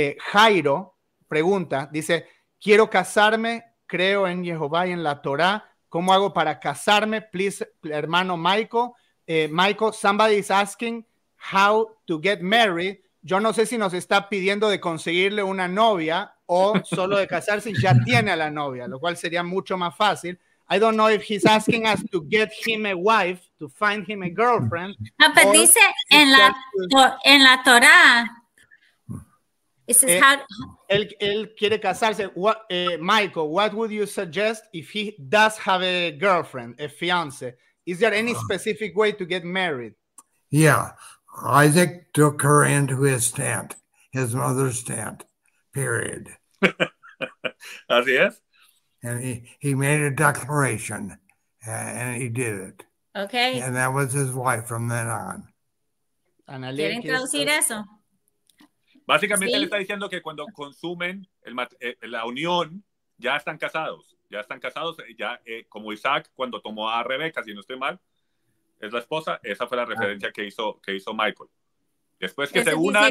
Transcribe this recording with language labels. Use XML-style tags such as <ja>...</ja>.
<es>Jairo pregunta, dice, quiero casarme, creo en Jehová y en la Torá. ¿Cómo hago para casarme? Please, hermano Michael.</es> <en>Michael, somebody is asking how to get married.</en> <es>Yo no sé si nos está pidiendo de conseguirle una novia o solo de casarse y ya tiene a la novia, lo cual sería mucho más fácil.</es> <en>I don't know if he's asking us to get him a wife, to find him a girlfriend.</en> <es>No, pero dice en la Torah. Él quiere casarse.</es> <en>What, Michael, what would you suggest if he does have a girlfriend, a fiance? Is there any specific way to get married? Yeah. Isaac took her into his tent, his mother's tent, period.</en> <es>Así es.</es> <en>And he made a declaration, and he did it. Okay. And that was his wife from then on.</en> <es>¿Quieren traducir eso? Básicamente, sí. Le está diciendo que cuando consumen la unión, ya están casados. Ya están casados, ya como Isaac, cuando tomó a Rebeca, si no estoy mal, es la esposa. Esa fue la referencia que hizo Michael. Después que se una...</es>